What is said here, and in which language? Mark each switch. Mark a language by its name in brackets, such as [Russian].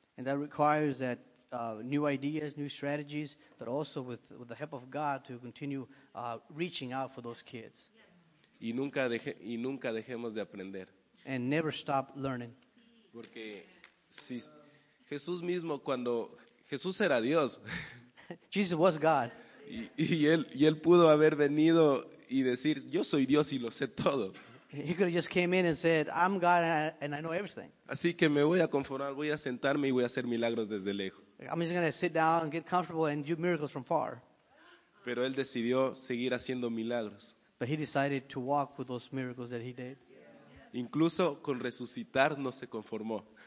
[English] And that requires that new ideas, new strategies, but also with the help of God to continue reaching out for those kids. Yes. [Spanish] Y nunca dejemos de aprender. [English] And never stop learning. [Spanish] Porque si Jesús mismo cuando Jesús era Dios. [English] Jesus was God. [Spanish] Y él pudo haber venido y decir, yo soy Dios y lo sé todo. [English] He could have just came in and said, I'm God and I know everything. [Spanish] Así que me voy a conformar, voy a sentarme y voy a hacer milagros desde lejos. [English] I'm just going to sit down and get comfortable and do miracles from far. [Spanish] Pero él decidió seguir haciendo milagros. [English] But he decided to walk with those miracles that he did. [Spanish] Incluso con resucitar no se conformó.